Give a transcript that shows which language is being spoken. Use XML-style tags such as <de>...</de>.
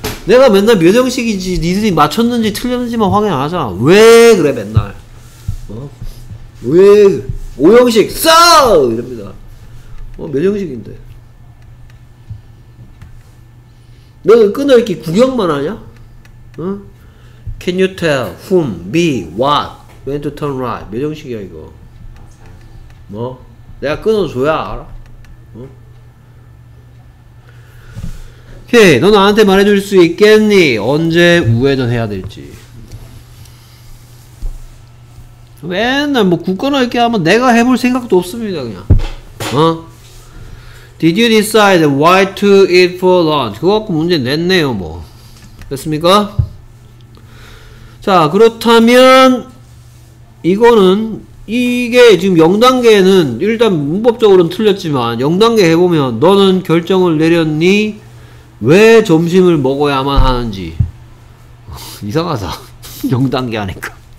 <ko>내가 맨날 몇 형식인지 니들이 맞췄는지 틀렸는지만 확인 안 하잖아. 왜 그래 맨날 어? 왜 5형식 써! 이럽니다. 어 몇 형식인데 내가 끊어 이렇게 구경만 하냐? 어?</ko> <en>Can you tell whom, me, what, when to turn right?</en> <ko>몇 형식이야 이거? 뭐? 내가 끊어줘야 알아. 오케이, 너 나한테 말해줄 수 있겠니? 언제 우회전 해야 될지. 맨날 뭐 굳거나 이렇게 하면 내가 해볼 생각도 없습니다, 그냥. 어?</ko> <en>Did you decide why to eat for lunch?</en> <ko>그거 갖고 문제 냈네요, 뭐. 됐습니까? 자, 그렇다면, 이거는, 이게 지금 0단계는, 일단 문법적으로는 틀렸지만, 0단계 해보면, 너는 결정을 내렸니? 왜 점심을 먹어야만 하는지. 이상하다. 0단계 하니까.</ko>